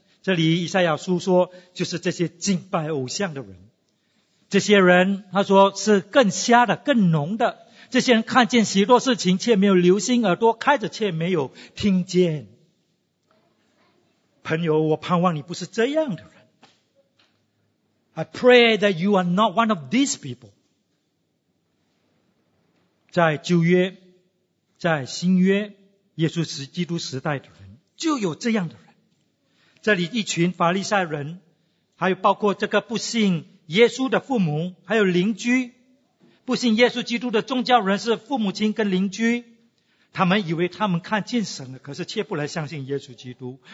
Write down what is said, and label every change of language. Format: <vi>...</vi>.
<zh>这里以赛亚书说，就是这些敬拜偶像的人。这些人他说是更瞎的，更聋的。这些人看见许多事情，却没有留心耳朵开着，却没有听见。朋友，我盼望你不是这样的人。</zh> <en>I pray that you are not one of these people。</en> <zh>在旧约，在新约，耶稣是基督时代的人，就有这样的人。这里一群法利赛人，还有包括这个不信耶稣的父母，还有邻居，不信耶稣基督的宗教人士，父母亲跟邻居，他们以为他们看见神了，可是却不来相信耶稣基督。</zh>